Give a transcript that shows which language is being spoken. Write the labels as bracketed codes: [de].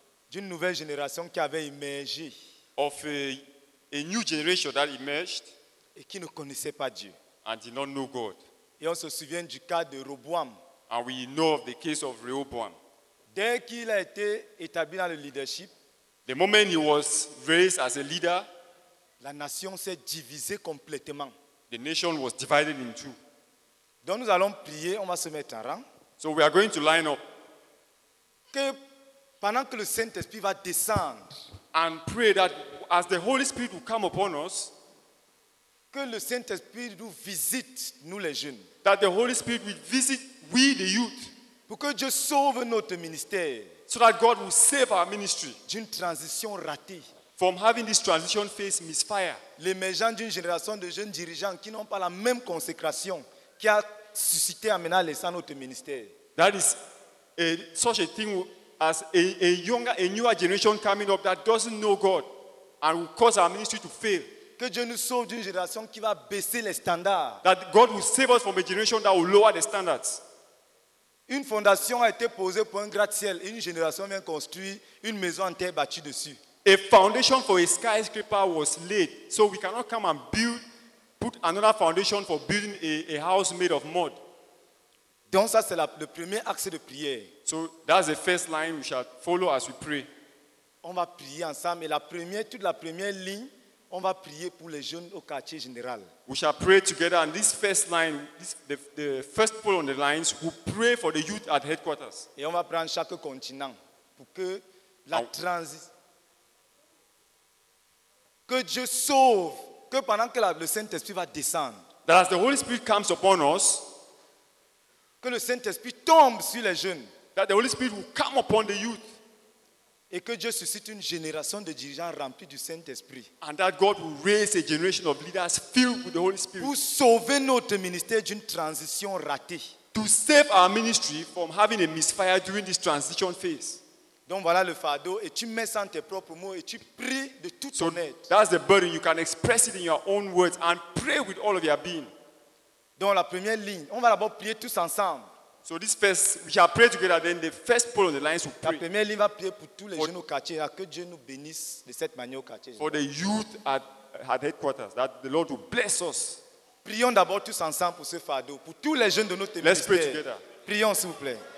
[fr] D'une nouvelle génération qui avait émergé. [en] Of a new generation that emerged. [fr] Et qui ne connaissait pas Dieu. [en] And did not know God. [fr] Et on se souvient du cas de Roboam. [en] And we know of the case of Rehoboam. [fr] Dès qu'il a été établi dans le leadership, [en] the moment he was raised as a leader, [fr] la nation s'est divisée complètement. [en] The nation was divided in two. [fr] Donc nous allons prier, on va se mettre en rang. [en] So we are going to line up. [fr] Que pendant que le Saint-Esprit va descendre, [en] and pray that as the Holy Spirit will come upon us, [fr] que le Saint-Esprit nous visite, nous les jeunes. [en] That the Holy Spirit will visit we, the youth. [fr] Pour que Dieu sauve notre ministère. [en] So that God will save our ministry. [fr] D'une transition ratée. [en] From having this transition phase misfire. [fr] L'émergence d'une génération de jeunes dirigeants qui n'ont pas la même consécration qui a suscité à maintenant laissant notre ministère. [en] That is such a thing as a newer generation coming up that doesn't know God and will cause our ministry to fail. [fr] Que Dieu nous sauve d'une génération qui va baisser les standards. [en] That God will save us from a generation that will lower the standards. [fr] Une fondation a été posée pour un gratte-ciel. Une génération vient construire une maison en terre bâtie dessus. [en] A foundation for a skyscraper was laid, so we cannot come and build, put another foundation for building a house made of mud. [fr] Donc ça c'est le premier axe de prière. [en] So that's the first line we shall follow as we pray. [fr] On va prier ensemble et toute la première ligne. On va prier pour les jeunes au quartier général. [en] We shall pray together, and this first line, the first pole on the lines, we pray for the youth at headquarters. [fr] Et on va prendre chaque continent pour que la transition, que Dieu sauve, que pendant que le Saint-Esprit va descendre, [en] that as the Holy Spirit comes upon us, [fr] que le Saint-Esprit tombe sur les jeunes, [en] that the Holy Spirit will come upon the youth, [fr] et que Dieu suscite une génération de dirigeants remplis du Saint-Esprit, [en] and that God will raise a generation of leaders filled with the Holy Spirit, [fr] pour sauver notre ministère d'une transition ratée, [en] to save our ministry from having a misfire during this transition phase. [fr] Donc voilà le fardeau et tu mets ça en tes propres mots et tu pries de toute ton être. [en] That's the burden. You can express it in your own words and pray with all of your being. [fr] Donc la première ligne, on va d'abord prier tous ensemble. [en] So this first, we shall pray together. Then the first pole on the lines will pray. [fr] La première ligne va prier pour tous les jeunes au quartier, que Dieu nous bénisse de cette manière au quartier. [en] For the youth at headquarters, that the Lord will bless us. [fr] Prions d'abord tous ensemble pour ce fardeau, pour tous les jeunes de notre ministère. [en] Let's pray together. [fr] Prions s'il vous plaît.